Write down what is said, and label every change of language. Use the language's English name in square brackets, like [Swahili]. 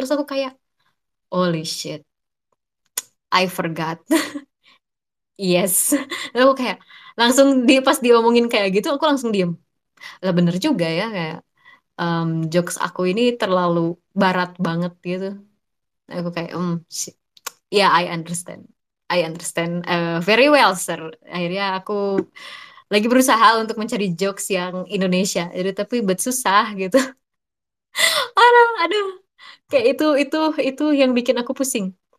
[Indonesian] Terus aku kayak, [English] holy shit, I forgot. Yes. [Indonesian] Lalu aku kayak langsung di pas diomongin kayak gitu aku langsung diem. Lah bener juga ya kayak jokes aku ini terlalu barat banget gitu. Aku kayak [English] shit. Ya, yeah, I understand. I understand very well, sir. [Indonesian] Akhirnya aku lagi berusaha untuk mencari jokes yang Indonesia. Jadi tapi bet susah gitu. Aduh. Kayak itu yang bikin aku pusing.